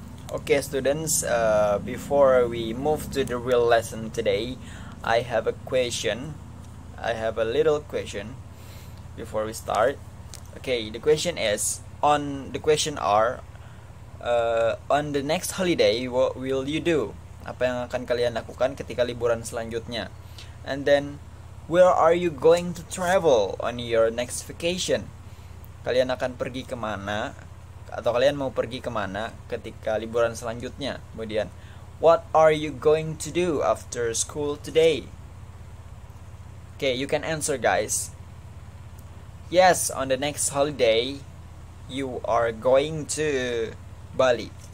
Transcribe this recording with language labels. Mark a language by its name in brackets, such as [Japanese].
[English] Okay students, before we move to the real lesson today, I have a question. I have a little question before we start. Okay, the question is on the question are on the next holiday what will you do? [Indonesian] Apa yang akan kalian lakukan ketika liburan selanjutnya? [English] And then where are you going to travel on your next vacation? [Indonesian] Kalian akan pergi ke mana? Atau kalian mau pergi kemana ketika liburan selanjutnya? [English] Kemudian, what are you going to do after school today? Okay, you can answer guys. Yes, on the next holiday, you are going to Bali.